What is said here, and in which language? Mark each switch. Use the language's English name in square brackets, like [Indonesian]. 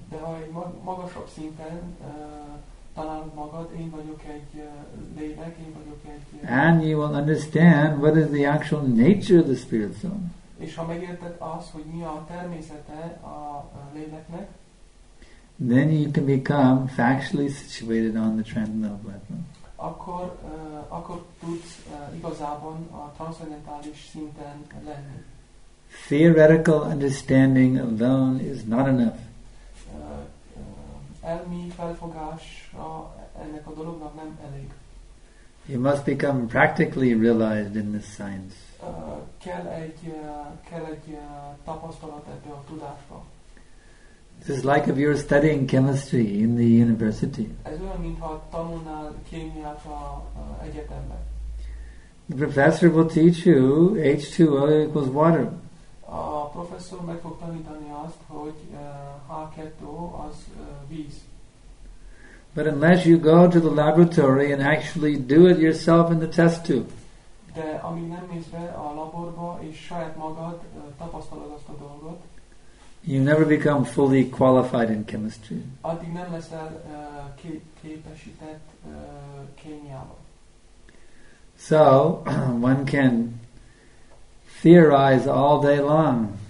[Hungarian] De ha egy magasabb szinten találod magad, én vagyok egy lélek, én vagyok egy... [English] And you will understand what is the actual nature of the Spirit Soul. [Hungarian] És ha megérted azt, hogy mi a természete a léleknek, [English] then you can become factually situated on the transcendental platform. [Hungarian] Akkor akkor tudsz igazából a transzendentális szinten lenni. [English] Theoretical understanding alone is not enough. [Hungarian] Elmi felfogás ennek a dolognak nem elég. [English] You must become practically realized in this science. [Hungarian] Kell egy tapasztalat ebbe a tudásba. [English] This is like if you're studying chemistry in the university. [Hungarian] Ez olyan, mintha tanulnál kémiát a egyetemben. [English] The professor will teach you H2O equals water. [Hungarian] A professzor meg fog tanítani azt, hogy H2O az víz. [English] But unless you go to the laboratory and actually do it yourself in the test tube. [Hungarian] De amíg nem mész be a laborba és saját magad tapasztalod azt a dolgot. [English] You never become fully qualified in chemistry. [Hungarian] Addig nem leszel képesített kémiába. [English] So, one can theorize all day long.